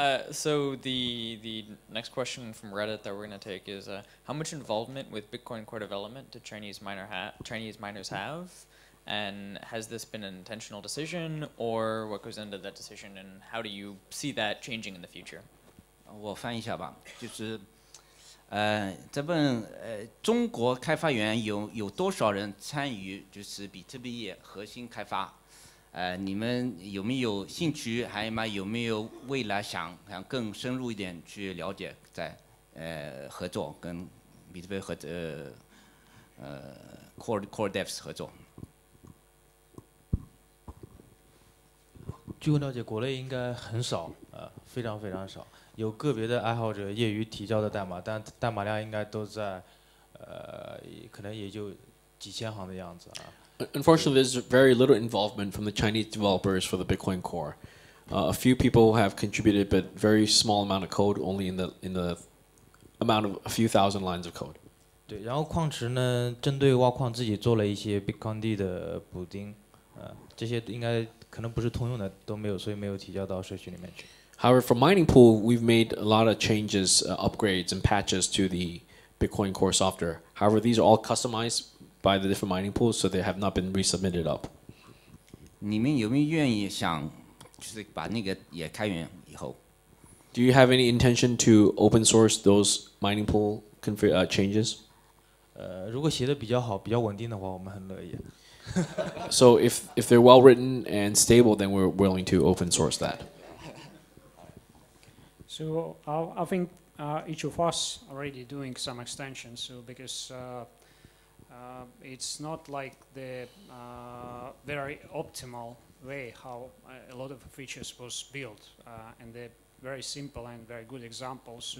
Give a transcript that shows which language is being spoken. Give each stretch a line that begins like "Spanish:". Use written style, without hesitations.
English: So the next question from Reddit that we're going to take is, how much involvement with Bitcoin core development do Chinese miners have? And has this been an intentional decision, or what goes into that decision, and how do you see that changing in the future?
Chinese: 我翻译一下吧，就是，在问，中国开发员有多少人参与就是比特币核心开发，你们有没有兴趣，还有吗？有没有未来想更深入一点去了解，在合作跟比特币和
English: core devs
Chinese: 合作？据我了解，国内应该很少，非常非常少。有个别的爱好者业余提交的代码，但代码量应该都在，可能也就几千行的样子啊。
English: Unfortunately, there's very little involvement from the Chinese developers for the Bitcoin Core. A few people have contributed, but very small amount of code, only in the amount of a few thousand lines of code.
Chinese: 对，然后矿池呢，针对挖矿自己做了一些 Bitcoin D 的补丁，这些应该。可能不是通用的都没有，所以没有提交到社区里面去。
English: However, for mining pool, we've made a lot of changes, upgrades, and patches to the Bitcoin Core software. However, these are all customized by the different mining pools, so they have not been resubmitted up.
Chinese: 你们有没有愿意想，就是把那个也开源以后
English: ？Do you have any intention to open source those mining pool changes?
Chinese: 如果写的比较好、比较稳定的话，我们很乐意。
English: So if they're well written and stable, then we're willing to open source that. So I think each of us already doing some extensions. So because it's not like the very optimal way how a lot of features was built, and the very simple and very good examples.